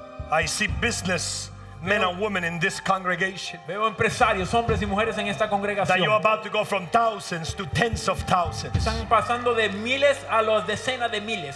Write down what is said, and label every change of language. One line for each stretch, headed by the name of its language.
English: I see business men and women in this congregation.
Spanish: Veo empresarios, hombres y mujeres en esta congregación.
English: That you are about to go from thousands to tens of thousands.
Spanish: Están pasando de miles a los decenas de miles.